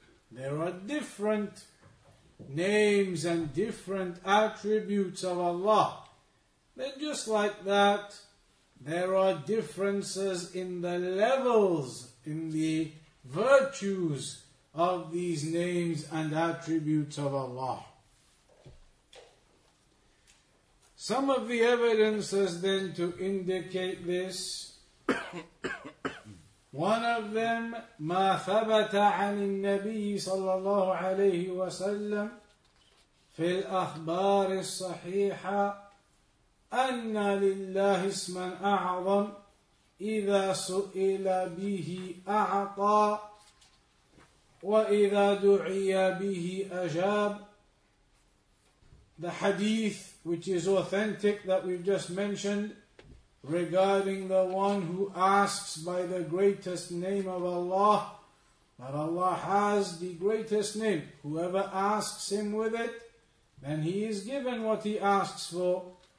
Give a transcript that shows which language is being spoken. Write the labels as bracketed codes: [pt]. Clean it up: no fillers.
[en] There are different names and different attributes of Allah. Then just like that, there are differences in the levels, in the virtues of these names and attributes of Allah. Some of the evidences then to indicate this, one of them, [ar] ما ثبت عن النبي صلى الله عليه وسلم في الأخبار الصحيحة أن لله اسما أعظم إذا سئل به أعطى وإذا دعي به أجاب. [en] The hadith, which is authentic, that we've just mentioned, regarding the one who asks by the greatest name of Allah, that Allah has the greatest name, whoever asks him with it, then he is given what he asks for.